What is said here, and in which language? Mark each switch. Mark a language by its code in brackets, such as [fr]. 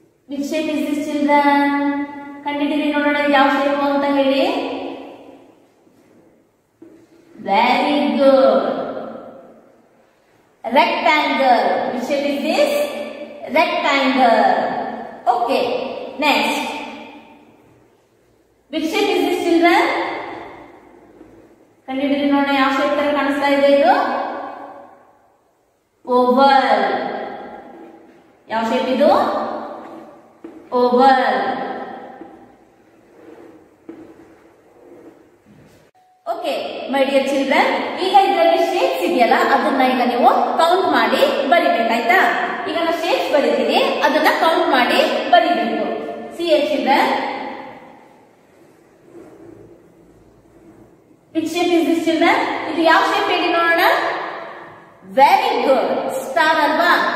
[en] which shape is this children [kn] ಕಂಡಿದ್ದೀರಿ ನೋಡೋಣ ಯಾವ shape ಅಂತ ಹೇಳಿ [en] Very good rectangle which shape is this rectangle Okay, next. Which shape is this children? Can you tell me what shape is this children? Oval. What shape is this? Oval. Okay, my dear children, we have the shape. [kn] ಇದೆಯಲ್ಲ ಅದನ್ನ ಈಗ ನೀವು count ಮಾಡಿ ಬರಿಬೇಕಾಯ್ತಾ. ಈಗ ನಾವು shapes ಬರಿತೀನಿ, ಅದನ್ನ count ಮಾಡಿ ಬರಿಬೇಕು. [en] See a children, which shape is this children? [kn] ಇದು ಯಾವ ಶೇಪ್ ಹೇಳಿ ನೋಡೋಣ. [en] very good, [kn] ಸ್ಟಾರ್ ಅಲ್ವಾ.